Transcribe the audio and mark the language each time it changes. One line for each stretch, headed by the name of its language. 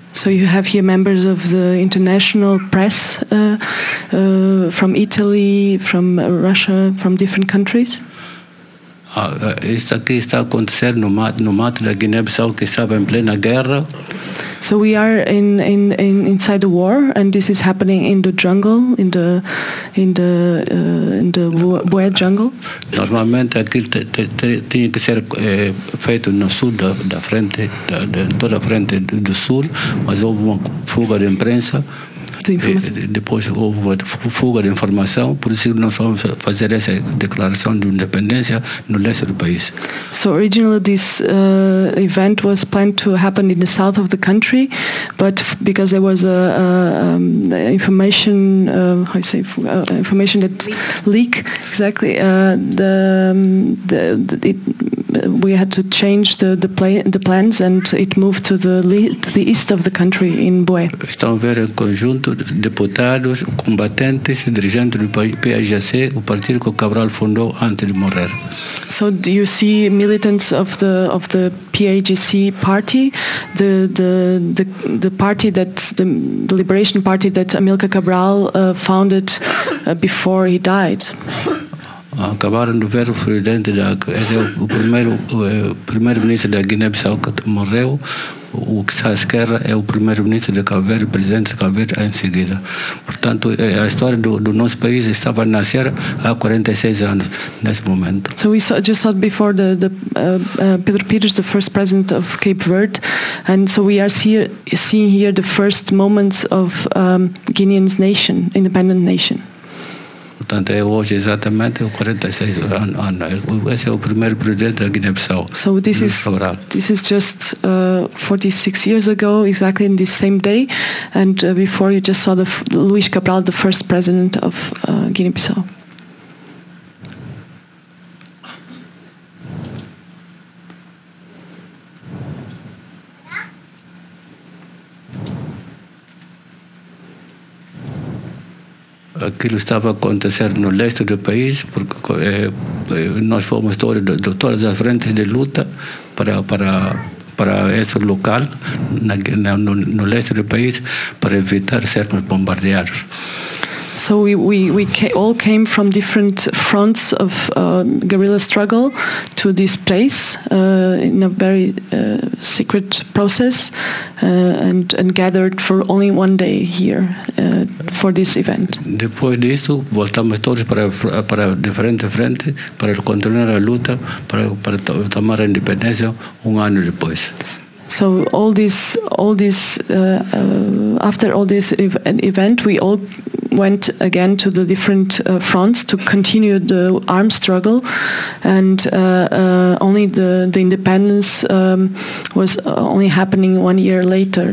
English: So you have here members of the international press from Italy, from Russia, from different countries.
Portuguese: Isto aqui está a acontecer no mato da Guiné-Bissau, que estava em plena guerra.
English: So we are in inside the war, and this is happening in the jungle, in the Bué jungle.
Portuguese: Normalmente aquilo tinha que ser feito no sul da frente, toda a frente do sul, mas houve uma fuga de imprensa. depois houve a fuga de informação, por isso nós vamos fazer essa declaração de independência no leste do país.
English: So originally this event was planned to happen in the south of the country, but because there was information leak, we had to change the plans and it moved to the east of the country in Bué.
Portuguese: Estão a ver em conjunto deputados, combatentes, dirigentes do PAGC, o partido que o Cabral fundou antes de morrer.
English: So do you see militants of the PAGC party, the party that the liberation party that Amílcar Cabral founded before he died?
Portuguese: Acabaram de ver o presidente da, esse é o primeiro-ministro da Guiné-Bissau que morreu. O que está à esquerda é o primeiro-ministro de Cabo Verde, o presidente de Cabo Verde em seguida. Portanto, a história do nosso país estava a nascer há 46 anos nesse momento.
English: So we saw, just saw before Pedro Pires, the first president of Cape Verde, and so we are seeing here the first moments of Guinean's nation, independent nation.
Portuguese: Portanto, é hoje exatamente 46 anos. Esse é o primeiro presidente da Guiné-Bissau.
English: So this is just 46 years ago, exactly in this same day, and before you just saw the Luís Cabral, the first president of Guiné-Bissau.
Portuguese: Aquilo estava a acontecer no leste do país, porque nós fomos todos de todas as frentes de luta para esse local, no leste do país, para evitar sermos bombardeados.
English: So we all came from different fronts of guerrilla struggle to this place in a very secret process and gathered for only one day here for this event.
Portuguese: Depois disso, voltamos todos para diferentes frentes para continuar a luta para tomar a independência ano depois.
English: So after this event, we all went again to the different fronts to continue the armed struggle, and only the independence was only happening 1 year later.